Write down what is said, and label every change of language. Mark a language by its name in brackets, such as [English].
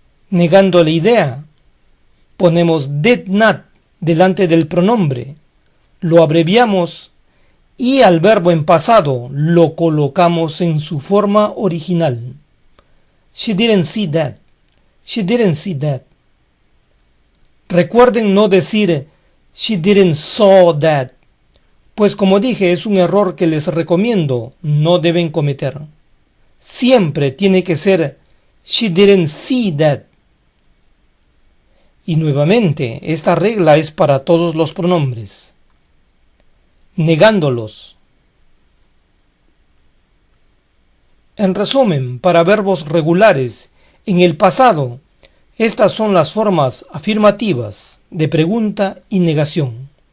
[Spanish] Negando la idea, ponemos did not delante del pronombre, lo abreviamos y al verbo en pasado lo colocamos en su forma original. [English] She didn't see that. She didn't see that. [Spanish] Recuerden no decir [English] she didn't saw that, [Spanish] pues como dije, es un error que les recomiendo no deben cometer. Siempre tiene que ser [English] she didn't see that. [Spanish] Y nuevamente, esta regla es para todos los pronombres. Negándolos. En resumen, para verbos regulares, en el pasado, estas son las formas afirmativas de pregunta y negación.